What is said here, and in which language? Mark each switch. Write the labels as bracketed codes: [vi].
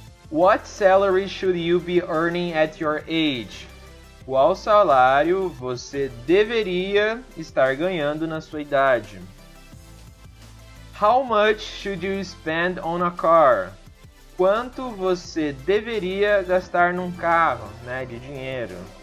[en] What salary should you be earning at your age? [pt] Qual salário você deveria estar ganhando na sua idade? [en] How much should you spend on a car? [pt] Quanto você deveria gastar num carro, né, de dinheiro?